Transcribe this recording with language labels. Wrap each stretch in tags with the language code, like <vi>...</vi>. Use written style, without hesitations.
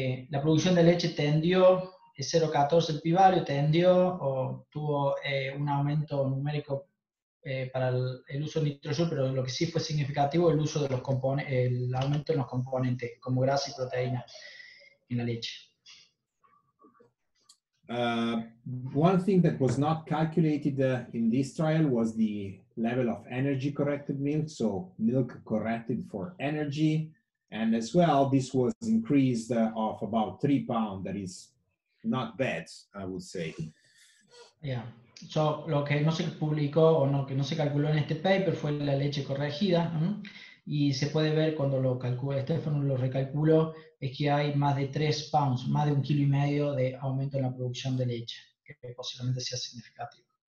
<es>La producción de leche tendió 0.14 el pivario, tuvo un aumento numérico para el uso de nitrosur, pero lo que sí fue significativo es el uso de los componentes, el aumento en los componentes como grasa y proteína en la leche.</es> <en>One thing that was not calculated in this trial was the level of energy corrected milk, so milk corrected for energy, and as well this was increased of about 3 pounds, that is not bad, I would say. Yeah.</en> <es>So, lo que no se publicó o no, que no se calculó en este paper fue la leche corregida, y se puede ver cuando lo calculó, Stefano lo recalculó, es que hay más de 3 pounds, más de 1.5 kilos de aumento en la producción de leche, que posiblemente sea significativo.</es>